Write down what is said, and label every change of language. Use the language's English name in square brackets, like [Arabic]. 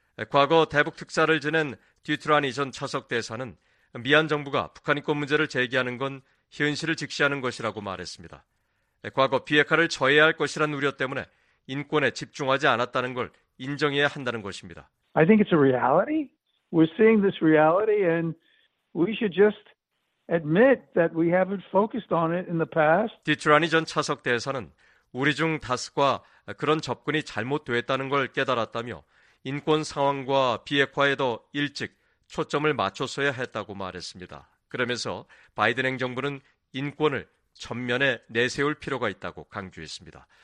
[Korean] 과거 대북 특사를 지낸 듀트라니 전 차석 대사는 미얀 정부가 북한 인권 문제를 제기하는 건 현실을 직시하는 것이라고 말했습니다. 과거 비핵화를 저해할 것이란 우려 때문에 인권에 집중하지 않았다는 걸 인정해야 한다는 것입니다. [English] I think it's a reality. We're seeing this reality and we should just admit that we haven't focused on it in the past. [Korean] 디트라니 전 차석 대사는 우리 중 다수가 그런 접근이 잘못되었다는 걸 깨달았다며 인권 상황과 비핵화에 더 일찍 초점을 맞췄어야 했다고 말했습니다. 그러면서 바이든 행정부는 인권을 전면에 내세울 필요가 있다고 강조했습니다.